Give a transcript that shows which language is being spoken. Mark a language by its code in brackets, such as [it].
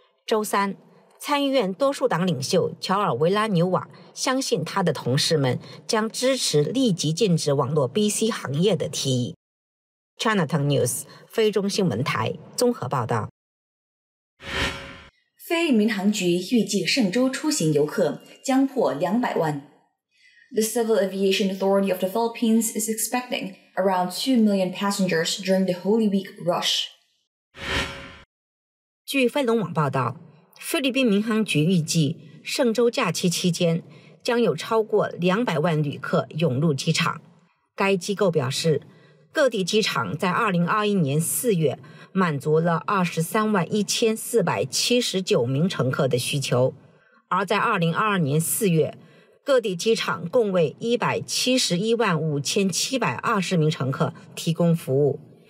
[zh] 周三，参议院多数党领袖乔尔维拉纽瓦相信他的同事们将支持立即禁止网络 BC 行业的提议。 Cntv News 菲中新闻台综合报道。菲民航局预计圣州出行游客将破200万。 [en] The Civil Aviation Authority of the Philippines is expecting around 2 million passengers during the Holy Week rush. [zh] 据飞龙网报道，菲律宾民航局预计圣州假期期间将有超过200万旅客涌入机场。该机构表示，各地机场在2021年4月满足了23万1479名乘客的需求，而在2022年4月，各地机场共为171万5720名乘客提供服务。